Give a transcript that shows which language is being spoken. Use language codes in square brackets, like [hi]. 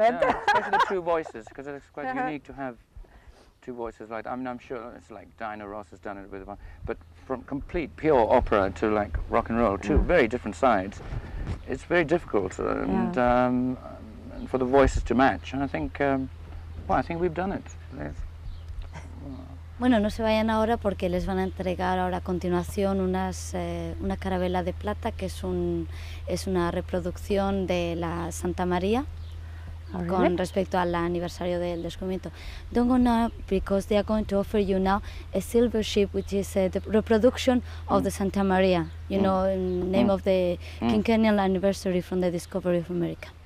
[en] Yeah, especially the two voices, because it's quite unique to have two voices like that. I mean, I'm sure it's like Dinah Ross has done it with one, but from complete pure opera to like rock and roll, two very different sides. It's very difficult, and, and for the voices to match. And I think, well, I think we've done it. [es] Bueno, no se vayan ahora porque les van a entregar ahora a continuación una carabela de plata que es una reproducción de la Santa María con respecto al aniversario del descubrimiento. [en] Don't go now because they are going to offer you now a silver ship which is the reproduction of the Santa María, you know, in name of the quinquennial anniversary from the discovery of America.